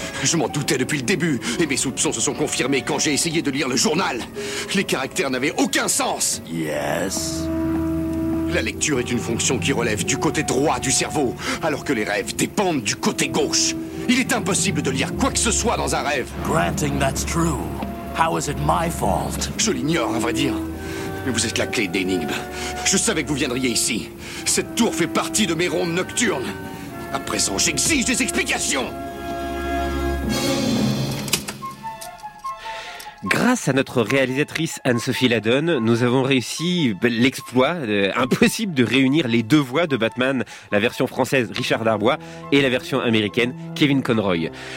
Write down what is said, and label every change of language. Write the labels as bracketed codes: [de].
[fr] Je m'en doutais depuis le début, et mes soupçons se sont confirmés quand j'ai essayé de lire le journal. Les caractères n'avaient aucun sens. [en] Yes. [fr] La lecture est une fonction qui relève du côté droit du cerveau, alors que les rêves dépendent du côté gauche. Il est impossible de lire quoi que ce soit dans un rêve. [en] Granting that's true, how is it my fault? [fr] Je l'ignore, à vrai dire. Mais vous êtes la clé d'énigme. Je savais que vous viendriez ici. Cette tour fait partie de mes rondes nocturnes. À présent, j'exige des explications! Grâce à notre réalisatrice Anne-Sophie Ladon, nous avons réussi l'exploit impossible de réunir les deux voix de Batman, la version française Richard Darbois et la version américaine Kevin Conroy.